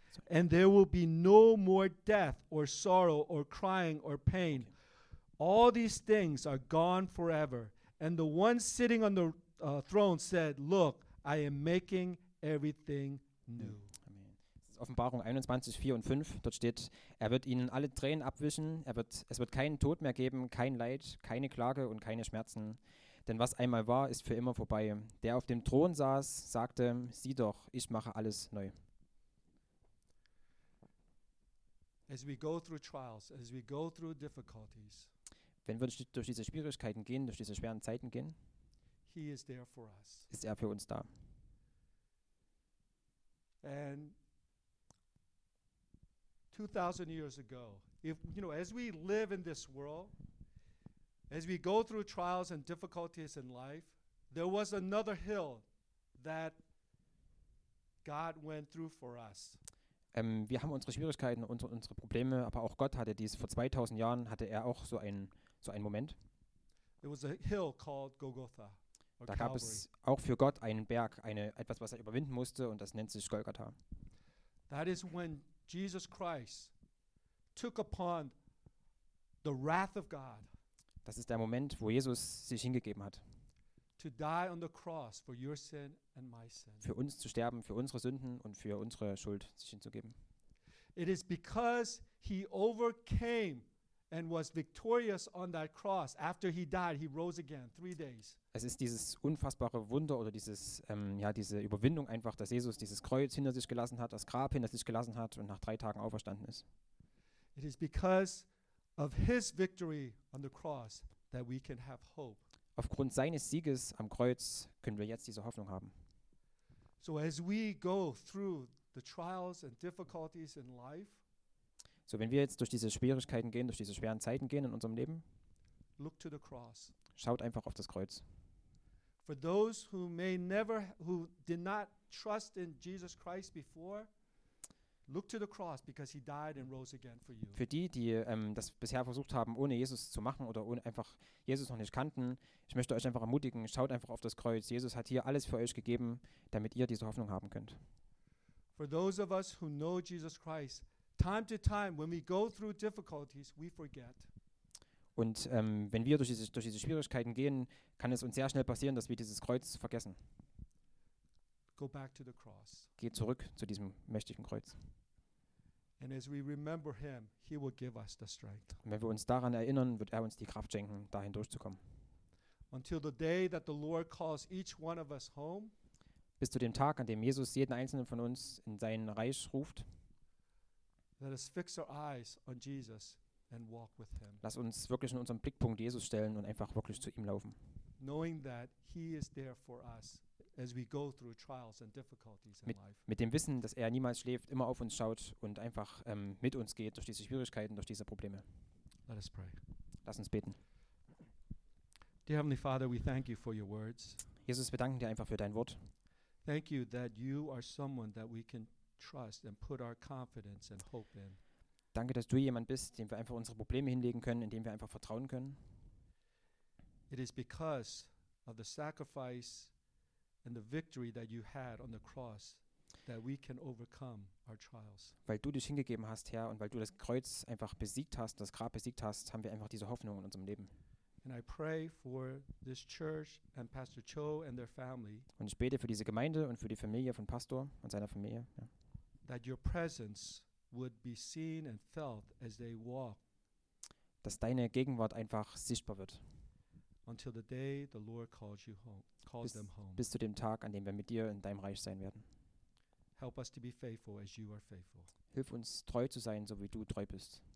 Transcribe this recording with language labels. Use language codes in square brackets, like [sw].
[en] And there will be no more death or sorrow or crying or pain. All these things are gone forever. And the one sitting on the throne said, look, I am making everything new. [de] Offenbarung 21, 4 und 5, dort steht, er wird ihnen alle Tränen abwischen, es wird keinen Tod mehr geben, kein Leid, keine Klage und keine Schmerzen. Denn was einmal war, ist für immer vorbei. Der auf dem Thron saß, sagte, sieh doch, ich mache alles neu. [en] As we go through trials, as we go through difficulties, [de] wenn wir durch diese Schwierigkeiten gehen, durch diese schweren Zeiten gehen, [en] he is there for us. [de] Ist er für uns da. [en] And 2000 years ago, if you know, as we live in this world, as we go through trials and difficulties in life, there was another hill that God went through for us. [de] Wir haben unsere Schwierigkeiten und unsere Probleme, aber auch Gott hatte dies. Vor 2000 Jahren hatte er auch so einen Moment. [en] It was a hill called Golgotha. [de] Da gab es auch für Gott einen Berg, etwas, was er überwinden musste, und das nennt sich Golgatha. [en] That is when Jesus Christ took upon the wrath of God. [de] Das ist der Moment, wo Jesus sich hingegeben hat. [en] To die on the cross for your sin and my sin. [de] Für uns zu sterben, für unsere Sünden und für unsere Schuld sich hinzugeben. [en] It is because he overcame and was victorious on that cross. After he died, he rose again 3 days. [de] Es ist dieses unfassbare Wunder oder diese Überwindung einfach, dass Jesus dieses Kreuz hinter sich gelassen hat, das Grab hinter sich gelassen hat und nach 3 Tagen auferstanden ist. [en] It is because of his victory on the cross that we can have hope. [de] Aufgrund seines Sieges am Kreuz können wir jetzt diese Hoffnung haben. [en] So as we go through the trials and difficulties in life, [de] so wenn wir jetzt durch diese Schwierigkeiten gehen, durch diese schweren Zeiten gehen in unserem Leben, [en] look to the cross. [de] Schaut einfach auf das Kreuz. [en] For those who may never, who did not trust in Jesus Christ before, look to the cross because he died and rose again for you. [de] Für die das bisher versucht haben, ohne Jesus zu machen oder ohne einfach Jesus noch nicht kannten, ich möchte euch einfach ermutigen, schaut einfach auf das Kreuz. Jesus hat hier alles für euch gegeben, damit ihr diese Hoffnung haben könnt. [en] For those of us who know Jesus Christ, time to time when we go through difficulties, we forget. [de] Und wenn wir durch diese Schwierigkeiten gehen, kann es uns sehr schnell passieren, dass wir dieses Kreuz vergessen. [en] Go back to the cross. [de] Geh zurück zu diesem mächtigen Kreuz. [en] And as we remember him, he will give us the strength. [de] Und wenn wir uns daran erinnern, wird er uns die Kraft schenken, dahin durchzukommen. [en] Until the day that the Lord calls each one of us home. [de] Bis zu dem Tag, an dem Jesus jeden einzelnen von uns in sein Reich ruft. [en] Let us fix our eyes on Jesus and walk with him. [de] Lass uns wirklich in unserem Blickpunkt Jesus stellen und einfach wirklich zu ihm laufen. [en] Knowing that he is there for us as we go through trials and difficulties in life. [de] Mit dem Wissen, dass er niemals schläft, immer auf uns schaut und einfach mit uns geht durch diese Schwierigkeiten, durch diese Probleme. [en] Let us pray. [de] Lass uns beten. [en] Dear Heavenly Father, we thank you for your words. [de] Jesus, wir danken dir einfach für dein Wort. [en] Thank you that you are someone that we can trust and put our confidence and hope in. [de] Danke, dass du jemand bist, dem wir einfach unsere Probleme hinlegen können, in dem wir einfach vertrauen können. [en] It is because of the sacrifice and the victory that you had on the cross that we can overcome our trials. [de] Weil du dich hingegeben hast, Herr, und weil du das Kreuz einfach besiegt hast, das Grab besiegt hast, haben wir einfach diese Hoffnung in unserem Leben. [en] And I pray for this church and Pastor Cho and their family. [de] Und ich bete für diese Gemeinde und für die Familie von Pastor und seiner Familie, ja. [en] That your presence would be seen and felt as they walk. [de] Dass deine Gegenwart einfach sichtbar wird. [en] Until the day the Lord calls you home, calls them home. [de] Bis zu dem Tag, an dem wir mit dir in deinem Reich sein werden. [en] Help us to be faithful as you are faithful. [de] Hilf uns treu zu sein, so wie du treu bist.